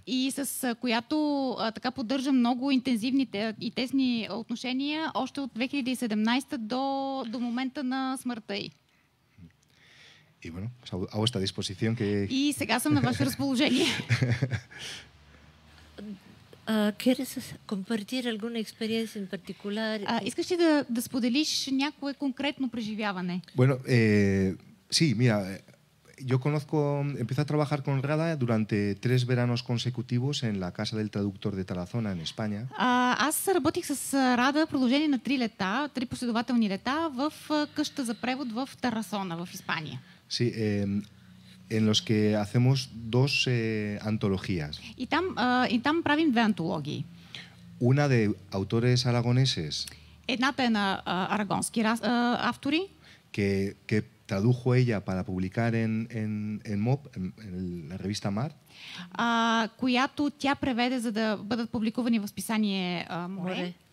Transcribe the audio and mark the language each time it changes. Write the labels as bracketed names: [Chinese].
[Bulgarian] И с която така поддържам много интензивни и тесни отношения още от 2017 до момента на смъртта й. [Spanish] Y bueno, a vuestra disposición que... [Bulgarian] И сега съм на ваше разположение. [Spanish] ¿Quieres compartir alguna experiencia en particular? [Bulgarian] ¿Искаш ли да споделиш някое конкретно преживяване? [Spanish] Bueno, sí, mira, yo conozco, empecé a trabajar con Rada durante 3 veranos consecutivos en la Casa del Traductor de Tarazona en España. [Bulgarian] Аз работих с Рада продължение на 3 лета, 3 последователни лета в къща за превод в Тарасона, в Испания. [Spanish] Sí, en los que hacemos 2 antologías. [Bulgarian] И там правим 2 антологии. [Spanish] Una de autores aragoneses. [Bulgarian] Едната е на арагонски автори. [Spanish] Que tradujo ella para publicar en MOP, en la revista Mar. [Bulgarian] Която тя преведе, за да бъдат публикувани в списание Море.